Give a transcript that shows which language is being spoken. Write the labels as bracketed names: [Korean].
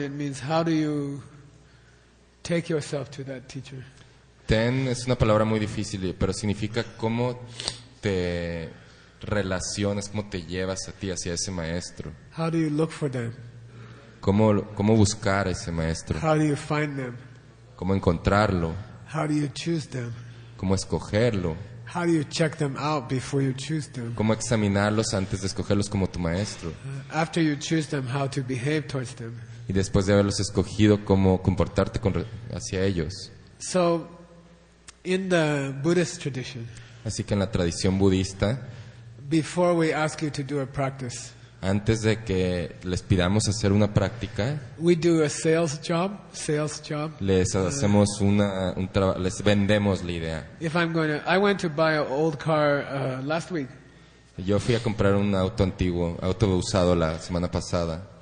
[English] It means how do you take yourself to that teacher. [Spanish] Ten es una palabra muy difícil, pero significa cómo te relacionas, cómo te llevas a ti hacia ese maestro. [English] How do you look for them? [Spanish] ¿Cómo buscar a ese maestro? [English] How do you find them? [Spanish] ¿Cómo encontrarlo? [English] How do you choose them? [Spanish] ¿Cómo escogerlo? [English] How do you check them out before you choose them? [Spanish] ¿Cómo examinarlos antes de escogerlos como tu maestro? [English] After you choose them, how to behave towards them? [Spanish] Y después de haberlos escogido, cómo comportarte hacia ellos. [English] So, in the Buddhist tradition, [Spanish] así que en la tradición budista, [English] before we ask you to do a practice, [Spanish] antes de que les pidamos hacer una práctica, [English] we do a sales job. [Spanish] Les hacemos un trabajo, les vendemos la idea. [English] I went to buy an old car last week. [Spanish] Yo fui a comprar un auto antiguo, auto usado la semana pasada.